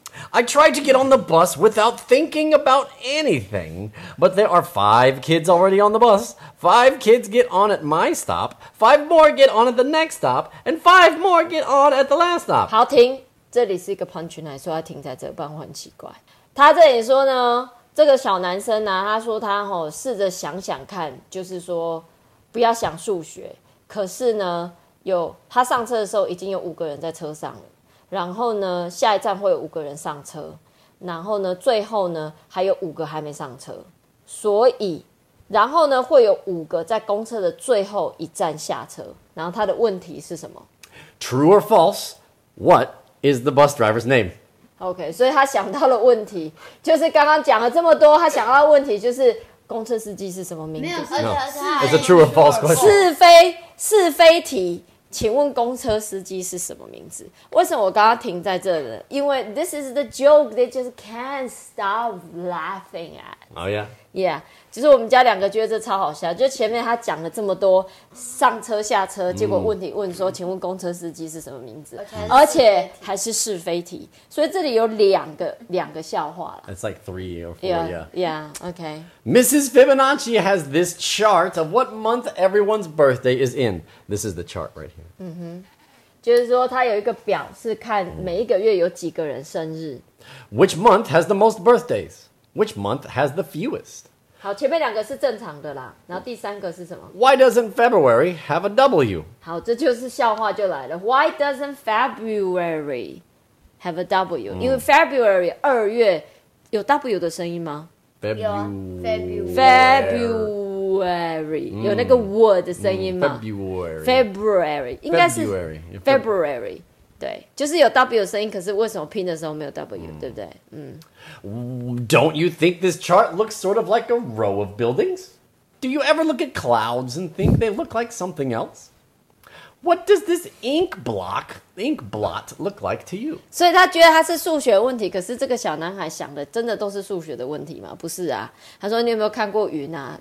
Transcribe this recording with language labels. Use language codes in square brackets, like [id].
[en] I tried to get on the bus without thinking about anything, but there are 5 kids already on the bus. 5 kids get on at my stop, 5 more get on at the next stop, and 5 more get on at the last stop. [zh] 好，停，这里是一个 punchline， 所以要停在这，不然会很奇怪。他这里说呢，这个小男生啊，他说他吼试着想想看，就是说不要想数学。可是呢，有他上车的时候已经有5人在车上了。然后呢，下一站会有5人上车，然后呢，最后呢还有5还没上车，所以。然后呢，会有5在公车的最后一站下车。然后他的问题是什么 [en] ？True or false? What is the bus driver's name? [zh] OK， 所以他想到了问题，就是刚刚讲了这么多，他想到的问题就是公车司机是什么名字？没有，而且还 [en] 是，It's a true or false question。 [zh] 是非题，请问公车司机是什么名字？为什么我刚刚停在这呢？因为 [en] this is the joke they just can't stop laughing at。 Oh yeah, yeah。 [zh] 其实我们家两个觉得这超好笑，就前面他讲了这么多上车下车，结果问题问说，请问公车司机是什么名字？而且还是是非题，所以这里有两个笑话了。 [en] It's like three or four, yeah. Yeah, okay. Mrs. Fibonacci has this chart of what month everyone's birthday is in. This is the chart right here. [zh] 嗯哼，就是说他有一个表是看每一个月有几个人生日。 [en] Which month has the most birthdays? Which month has the fewest? [zh] 好，前面两个是正常的啦，然后第三个是什么 [en] ？Why doesn't February have a W? [zh] 好，这就是笑话就来了。 [en] Why doesn't February have a W?、 [zh] 因为 February 二月有 W 的声音吗 [en] ？February [zh] 有那个 W 的声音吗 [en] ？February [zh] 应该是 February 对，就是有 W 的声音，可是为什么拼的时候没有 W？、对不对？ [en] Don't you think this chart looks sort of like a row of buildings? Do you ever look at clouds and think they look like something else? What does this ink blot look like to you? [zh] 所以他觉得他是数学问题，可是这个小男孩想的真的都是数学的问题吗？不是啊。他说你有没有看过云啊？